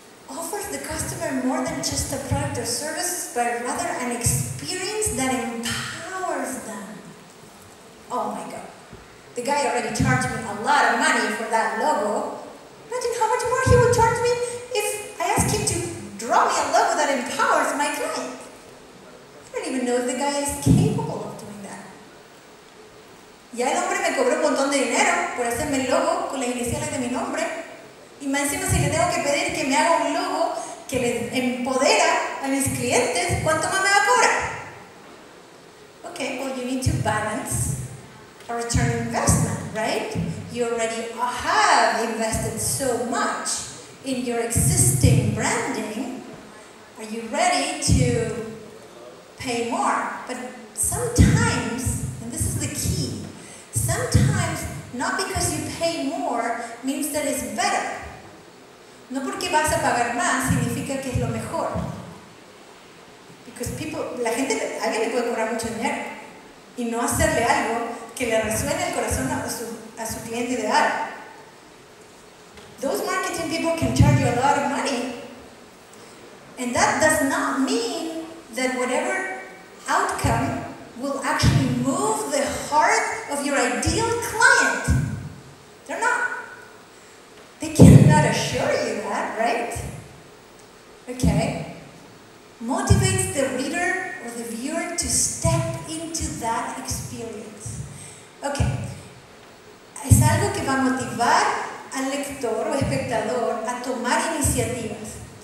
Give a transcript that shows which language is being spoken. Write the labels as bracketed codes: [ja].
[en] Offers the customer more than just a product or services, but rather an experience that empowers them. Oh my God. The guy already charged me a lot of money for that logo. Imagine how much more he would charge me if I asked him to draw me a logo that empowers my client. I don't even know if the guy is capable of doing that. [es] Ya el hombre me cobró un montón de dinero por hacerme el logo con las iniciales de mi nombre. Y más encima, si le tengo que pedir que me haga un logo que le empodera a mis clientes, ¿cuánto más me va a cobrar? [en] Ok, well, you need to balance a return investment, right? You already have invested so much in your existing branding. Are you ready to pay more? But sometimes, and this is the key, sometimes not because you pay more means that it's better. [es] No porque vas a pagar más significa que es lo mejor. [en] Because people, [es] la gente, alguien le puede cobrar mucho dinero y no hacerle algo que le resuene el corazón a su cliente ideal. [en] Those marketing people can charge you a lot of money. And that does not mean that whatever outcome will actually move the heart of your ideal client. They're not. They cannot assure you that, right? Okay. Motivates the reader or the viewer to step into that experience. Okay. [es] Es algo que va a motivar al lector o espectador a tomar iniciativas.